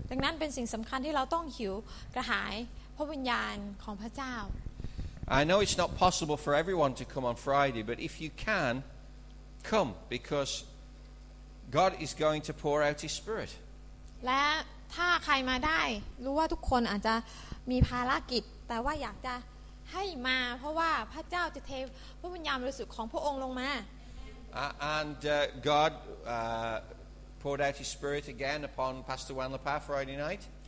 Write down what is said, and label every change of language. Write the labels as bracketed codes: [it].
[th] ดังนั้นเป็นสิ่งสำคัญที่เราต้องหิวกระหายพระวิญญาณของพระเจ้า [en] I know it's not possible for everyone to come on Friday, but if you can, come because God is going to pour out His Spirit. [th] และถ้าใครมาได้รู้ว่าทุกคนอาจจะมีภารกิจแต่ว่าอยากจะให้มาเพราะว่าพระเจ้าจะเทพระวิญญาณบริสุทธิ์ของพระองค์ลงมา [en] And GodPoured out His Spirit again upon Pastor Wan La Pa Friday night.